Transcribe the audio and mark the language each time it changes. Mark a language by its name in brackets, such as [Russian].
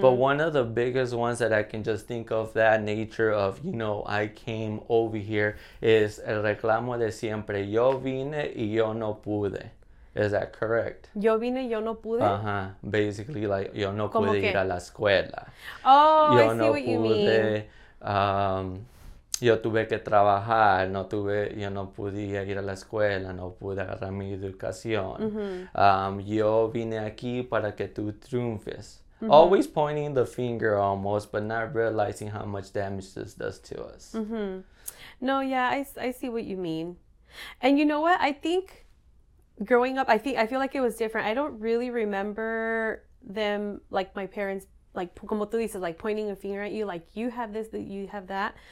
[English] But one of the biggest ones that I can just think of, that nature of, you know, I came over here, is [Spanish] el reclamo de siempre. Yo vine y yo no pude. [English] Is that correct? [Spanish] Yo vine, yo no pude? [English] Uh-huh. Basically, like, [Spanish] yo no pude ir a la escuela. [English] Oh, yo I no see what pude, you mean. [Spanish] Yo tuve que trabajar, yo no podía ir a la escuela, no pude agarrar mi educación. Mm-hmm. Yo vine aquí para que tú triunfes. Mm-hmm. [English] Always pointing the finger almost, but not realizing how much damage this does to us. Mm-hmm. No, yeah, I see what you mean. And you know what? I think growing up, I feel like it was different. I don't really remember them, like my parents, like, [Spanish] como tú dices, [English] like, pointing a finger at you, like, you have this, you have that.